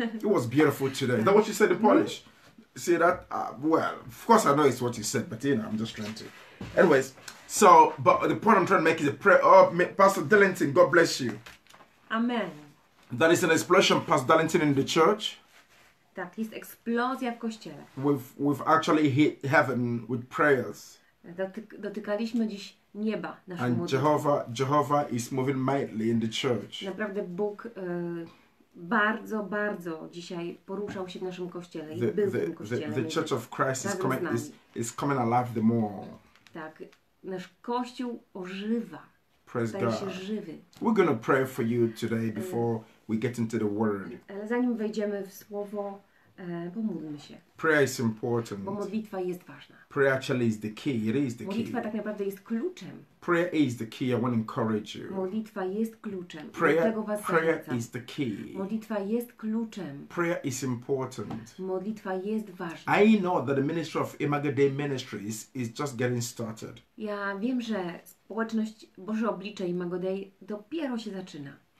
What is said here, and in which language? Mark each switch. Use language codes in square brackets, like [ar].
[en] It was beautiful today. Is that what you said in Polish? See that? Well, of course I know it's what you said, but I'm just trying to. Anyways, but the point I'm trying to make is a prayer. Oh, Pastor Darlington, God bless you. Amen. That is an explosion, Pastor Darlington, in the church. [pl] Tak, jest eksplozja w kościele. [en] We've actually hit heaven with prayers. [pl] Dotykaliśmy dziś nieba naszym modlitwą. [en] And Jehovah is moving mightily in the church. [pl] Naprawdę Bóg bardzo, bardzo dzisiaj poruszał się w naszym kościele i był w tym kościele. [en] The Church of Christ is coming alive the more. [pl] Tak, nasz kościół ożywa. [en] Praise God. [pl] Staje się żywy. [en] We're gonna pray for you today before we get into the word. [pl] Ale zanim wejdziemy w słowo, pomódlmy się. [en] Prayer is important. [pl] Bo modlitwa jest ważna. [en] Prayer actually is the key. It is the key. [pl] Modlitwa tak naprawdę jest kluczem. [en] Prayer is the key. I want to encourage you. [pl] Modlitwa jest kluczem. [en] Prayer is the key. [pl] Modlitwa jest kluczem. [en] Prayer is important. [pl] Modlitwa jest ważna. [en] I know that the ministry of Imago Dei Ministries is just getting started. [pl] Ja wiem, że społeczność Boże Oblicze Imago Dei dopiero się zaczyna.